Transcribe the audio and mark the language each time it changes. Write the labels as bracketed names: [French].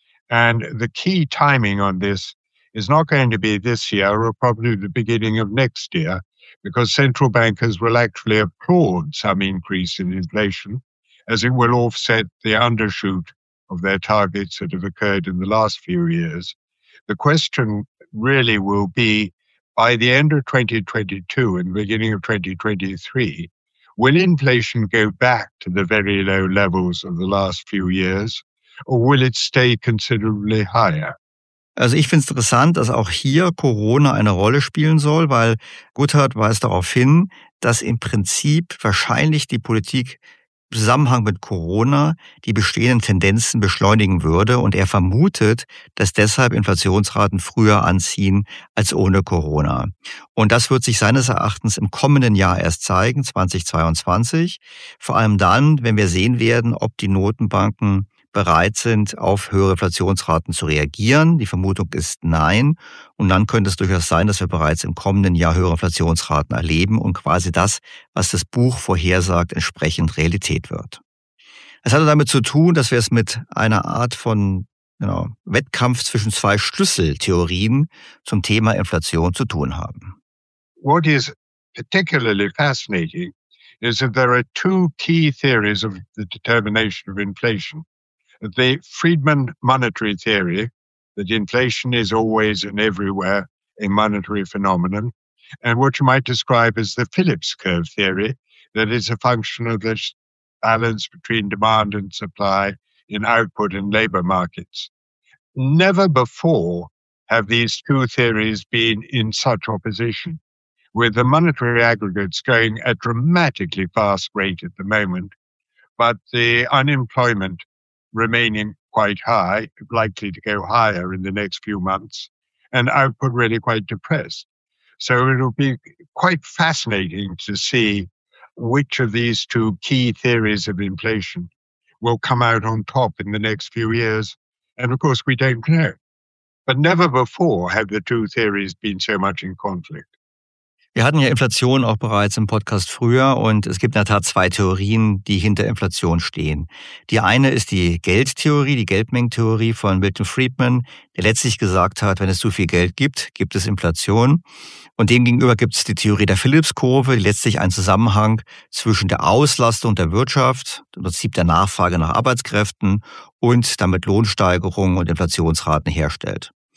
[English] And the key timing on this is not going to be this year or probably the beginning of next year, because central bankers will actually applaud some increase in inflation, as it will offset the undershoot of their targets that have occurred in the last few years. The question really will be, by the end of 2022 and the beginning of 2023, will inflation go back to the very low levels of the last few years, or will it stay considerably higher? [German] Also ich finde es interessant, dass auch hier Corona eine Rolle spielen soll, weil Guthardt weist darauf hin, dass im Prinzip wahrscheinlich die Politik im Zusammenhang mit Corona die bestehenden Tendenzen beschleunigen würde. Und er vermutet, dass deshalb Inflationsraten früher anziehen als ohne Corona. Und das wird sich seines Erachtens im kommenden Jahr erst zeigen, 2022. Vor allem dann, wenn wir sehen werden, ob die Notenbanken bereit sind, auf höhere Inflationsraten zu reagieren. Die Vermutung ist nein. Und dann könnte es durchaus sein, dass wir bereits im kommenden Jahr höhere Inflationsraten erleben und quasi das, was das Buch vorhersagt, entsprechend Realität wird. Es hat damit zu tun, dass wir es mit einer Art von Wettkampf zwischen zwei Schlüsseltheorien zum Thema Inflation zu tun haben. [English] What is particularly fascinating is that there are two key theories of the determination of inflation. The Friedman monetary theory, that inflation is always and everywhere a monetary phenomenon, and what you might describe as the Phillips curve theory, that is a function of the balance between demand and supply in output and labor markets. Never before have these two theories been in such opposition, with the monetary aggregates going at a dramatically fast rate at the moment, but the unemployment remaining quite high, likely to go higher in the next few months, and output really quite depressed. So it'll be quite fascinating to see which of these two key theories of inflation will come out on top in the next few years. And of course, we don't know. But never before have the two theories been so much in conflict. [German] Wir hatten ja Inflation auch bereits im Podcast früher und es gibt in der Tat zwei Theorien, die hinter Inflation stehen. Die eine ist die Geldtheorie, die Geldmengentheorie von Milton Friedman, der letztlich gesagt hat, wenn es zu viel Geld gibt, gibt es Inflation. Und demgegenüber gibt es die Theorie der Phillips-Kurve, die letztlich einen Zusammenhang zwischen der Auslastung der Wirtschaft, im Prinzip der Nachfrage nach Arbeitskräften und damit Lohnsteigerungen und Inflationsraten herstellt.